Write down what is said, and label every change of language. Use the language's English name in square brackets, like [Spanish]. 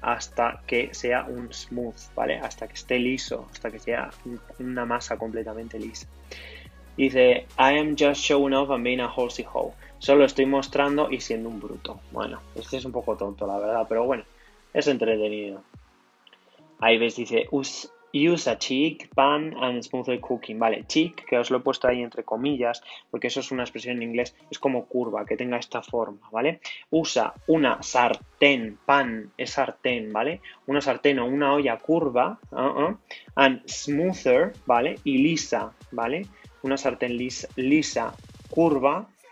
[Spanish] Hasta que sea un smooth, ¿vale? Hasta que esté liso, hasta que sea una masa completamente lisa. [English] Dice, I am just showing off and being a horsey hoe. [Spanish] Solo estoy mostrando y siendo un bruto. Bueno, este es un poco tonto, la verdad, pero bueno, es entretenido. Ahí ves, [English] dice, use a cheek pan and smooth cooking. [Spanish] Vale, cheek, que os lo he puesto ahí entre comillas, porque eso es una expresión en inglés, es como curva, que tenga esta forma, ¿vale? Usa una sartén, pan es sartén, ¿vale? Una sartén o una olla curva, [English] and smoother, [Spanish] ¿vale? Y lisa, ¿vale? Una sartén lisa, curva,